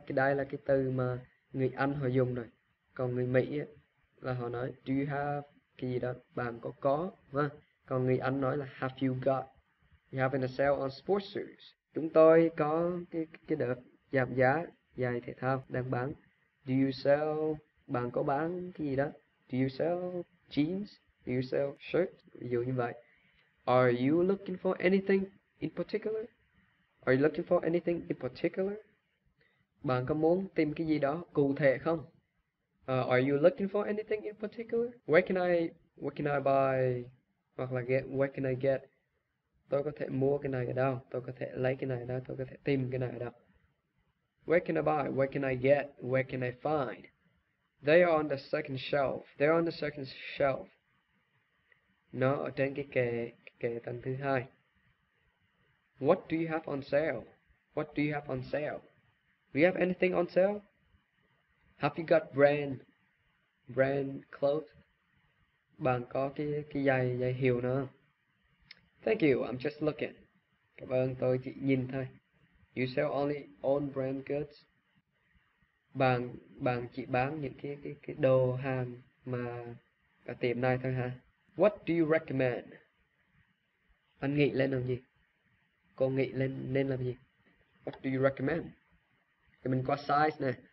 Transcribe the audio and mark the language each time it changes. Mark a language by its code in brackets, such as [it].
[vi] Cái đây là cái từ mà người Anh họ dùng rồi. Còn người Mỹ ấy, là họ nói [en] do you have [vi] cái gì đó, bạn có vâng. Còn người Anh nói là [en] have you got. We have a sale on sports shoes. [vi] Chúng tôi có cái đợt giảm giá giày thể thao đang bán. [en] Do you sell, [vi] bạn có bán cái gì đó. [en] Do you sell jeans? Do you sell shirt? [vi] Ví dụ như vậy. [en] Are you looking for anything in particular? Are you looking for anything in particular? [vi] Bạn có muốn tìm cái gì đó cụ thể không? [en] Are you looking for anything in particular? Where can I buy? [vi] Hoặc là [en] where can I get? [vi] Tôi có thể mua cái này ở đâu? Tôi có thể lấy cái này ở đâu? Tôi có thể tìm cái này ở đâu? [en] Where can I buy? Where can I get? Where can I find? They are on the second shelf. They are on the second shelf. [vi] Nó ở trên cái kệ tầng thứ hai. [en] What do you have on sale? What do you have on sale? Do you have anything on sale? Have you got brand clothes? [vi] Bạn có cái giày hiệu nào? [en] Thank you, I'm just looking. [vi] Cảm ơn, tôi chỉ nhìn thôi. [en] You sell only own brand goods? [vi] Bạn chỉ bán những cái đồ hàng mà ở tiệm này thôi hả? [en] What do you recommend? [vi] Anh nghĩ lên làm gì? Cô nghĩ lên nên làm gì? [en] What do you recommend? [vi] Thì mình có size nè.